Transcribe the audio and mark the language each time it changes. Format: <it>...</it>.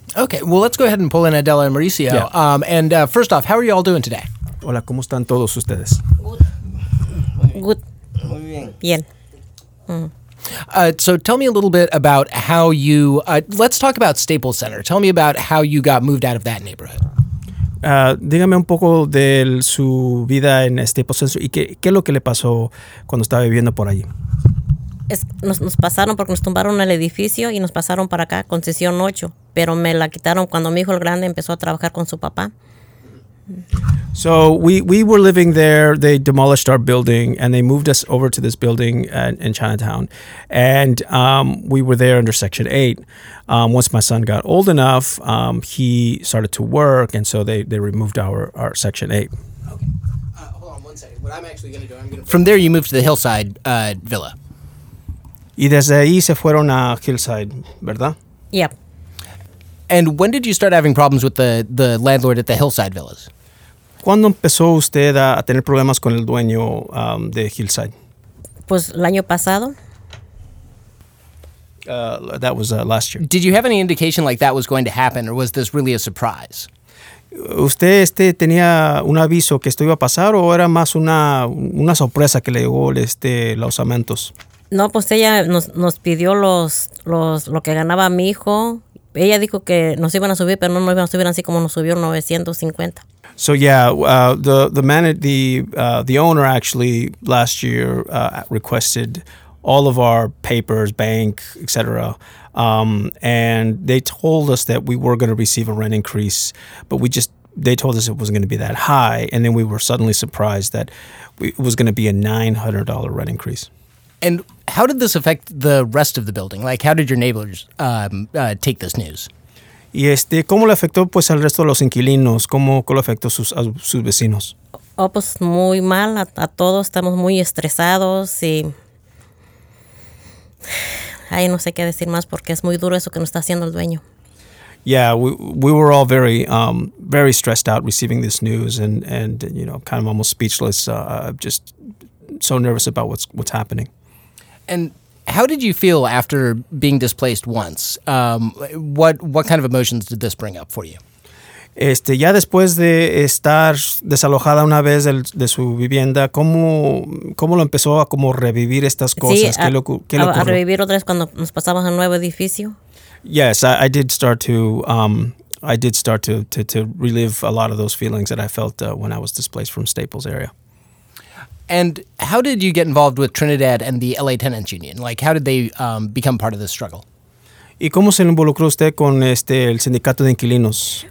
<en>Okay, well, let's go ahead and pull in Adela and Mauricio. Yeah. First off, how are you all doing today?</en> <es>Hola, ¿cómo están todos ustedes?</es> <en>Good.</en> <es>Muy bien. Bien.</es> <en>So tell me a little bit about how you, let's talk about Staples Center. Tell me about how you got moved out of that neighborhood.</en> <es>Dígame un poco de su vida en Staples Center y qué es lo que le pasó cuando estaba viviendo por allí. Nos pasaron porque nos tumbaron el edificio y nos pasaron para acá, concesión 8, pero me la quitaron cuando mi hijo el grande empezó a trabajar con su papá.</es> <en>So we were living there. They demolished our building and they moved us over to this building in Chinatown. And we were there under Section 8. Once my son got old enough, he started to work. And so they removed our Section 8. Okay. Hold on one second. What I'm actually going to do, I'm going to... From there, you moved to the Hillside Villa.</en> <es>Y desde ahí se fueron a Hillside, ¿verdad?</es> <en>Yep. And when did you start having problems with the landlord at the Hillside Villas?</en> <es>¿Cuándo empezó usted a tener problemas con el dueño de Hillside? Pues el año pasado.</es> <en>That was last year. Did you have any indication like that was going to happen, or was this really a surprise?</en> <es>¿Usted tenía un aviso que esto iba a pasar, o era más una sorpresa que le llegó los aumentos? No, pues ella nos pidió los lo que ganaba mi hijo. Ella dijo que nos iban a subir, pero no nos iban a subir así como nos subió 950.</es> <en>So yeah, the owner actually last year requested all of our papers, bank, etc. And they told us that we were going to receive a rent increase, but they told us it wasn't going to be that high, and then we were suddenly surprised that it was going to be a $900 rent increase. And how did this affect the rest of the building? Like, how did your neighbors take this news?</en> <es>¿Y este, cómo le afectó pues al resto de los inquilinos? ¿Cómo le afectó a sus vecinos? Oh, pues muy mal a todos. Estamos muy estresados y... Ay, no sé qué decir más porque es muy duro eso que nos está haciendo el dueño.</es> <en>Yeah, we were all very very stressed out receiving this news and you know, kind of almost speechless, just so nervous about what's happening. And how did you feel after being displaced once? What kind of emotions did this bring up for you?</en> <es>Este, ya después de estar desalojada una vez de su vivienda, ¿cómo lo empezó a como revivir estas cosas? Sí, ¿Qué le ocurrió? A revivir otra vez cuando nos pasamos al nuevo edificio.</es> <en>Yes, I did start to relive a lot of those feelings that I felt when I was displaced from Staples area. And how did you get involved with Trinidad and the LA Tenants Union? Like, how did they become part of this struggle?</en> <es>¿Y cómo se involucró usted con este el sindicato de inquilinos?</es>